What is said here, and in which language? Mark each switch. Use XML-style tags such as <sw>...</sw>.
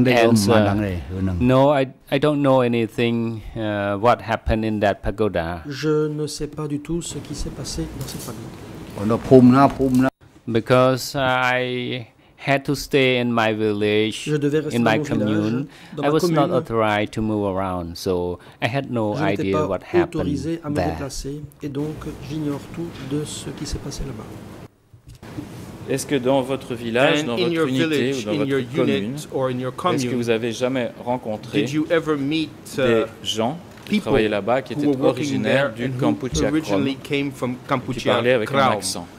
<en>No, I don't know anything what happened in that pagoda.</en> <fr>Je ne sais pas du tout ce qui s'est passé dans cette pagode.</fr> <en>Because I had to stay in my village, in my commune, I was not authorized to move around, so I had no idea what happened there.</en> <fr>Déplacer, et donc j'ignore tout de ce qui s'est passé là-bas. Est-ce que dans votre village, dans votre unité village, ou dans votre commune, est-ce que vous avez jamais rencontré des gens qui travaillaient là-bas, qui étaient originaires du Kampuchea Krom, et qui parlaient avec un accent?</fr>